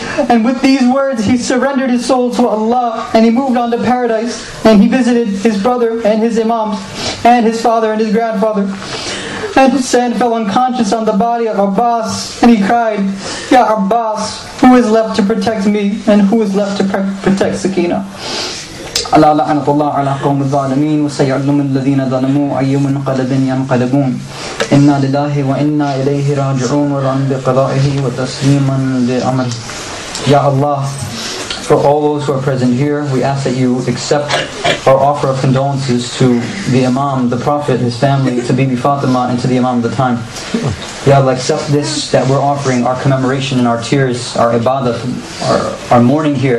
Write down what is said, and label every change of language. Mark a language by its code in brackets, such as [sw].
[en] And with these words, he surrendered his soul to Allah, and he moved on to paradise, and he visited his brother and his imams, and his father and his grandfather. And Hussein fell unconscious on the body of Abbas, and he cried, Ya Abbas, who is left to protect me, and who is left to protect Sakina? [ar] على لعنة الله على قوم الظالمين وسيعلم الذين ظلموا أي منقلب ينقلبون إنا لله وإنا إليه راجعون ورن بقضائه وتسليما لأمره. [en] Ya Allah, for all those who are present here, we ask that you accept our offer of condolences to the Imam, the Prophet, his family, to Bibi Fatima, and to the Imam of the time. Ya Allah, accept this that we're offering, our commemoration and our tears, our ibadah, our mourning here.